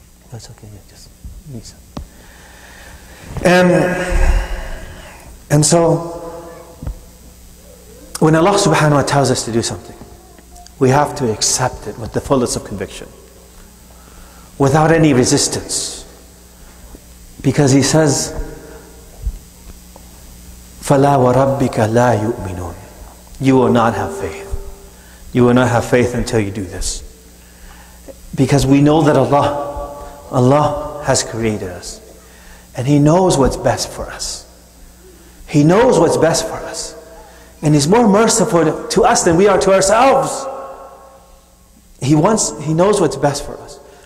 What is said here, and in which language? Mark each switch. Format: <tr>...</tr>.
<en>That's okay, yeah, just Lisa. And so, when Allah subhanahu wa ta'ala tells us to do something, we have to accept it with the fullest of conviction, without any resistance. Because He says,</en> <ar>فَلَا وَرَبِّكَ لَا يُؤْمِنُونَ.</ar> <en>You will not have faith. You will not have faith until you do this. Because we know that Allah has created us. And He knows what's best for us. He knows what's best for us. And He's more merciful to us than we are to ourselves. He knows what's best for us.</en>